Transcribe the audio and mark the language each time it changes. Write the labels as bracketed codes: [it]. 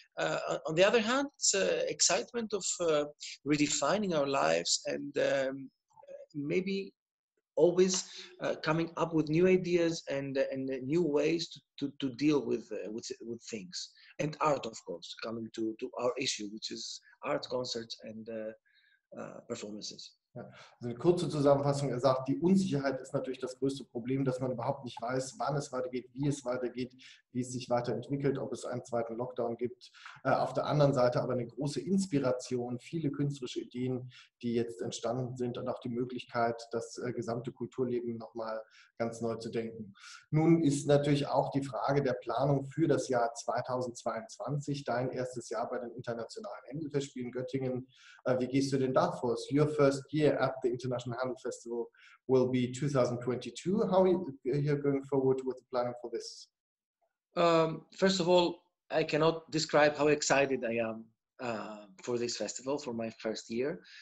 [en] On the other hand, it's excitement of redefining our lives and maybe always coming up with new ideas and new ways to deal with things. And art, of course, coming to our issue, which is art concerts and performances. [de] Also eine kurze Zusammenfassung. Er sagt, die Unsicherheit ist natürlich das größte Problem, dass man überhaupt nicht weiß, wann es weitergeht, wie es weitergeht, wie es sich weiterentwickelt, ob es einen zweiten Lockdown gibt. Auf der anderen Seite aber eine große Inspiration, viele künstlerische Ideen, die jetzt entstanden sind und auch die Möglichkeit, das gesamte Kulturleben nochmal ganz neu zu denken. Nun ist natürlich auch die Frage der Planung für das Jahr 2022, dein erstes Jahr bei den Internationalen Händelfestspielen Göttingen. Wie gehst du denn da vor? [en] It's your first year at the International Handel Festival will be 2022. How are you going forward with the planning for this? First of all, I cannot describe how excited I am for this festival, for my first year.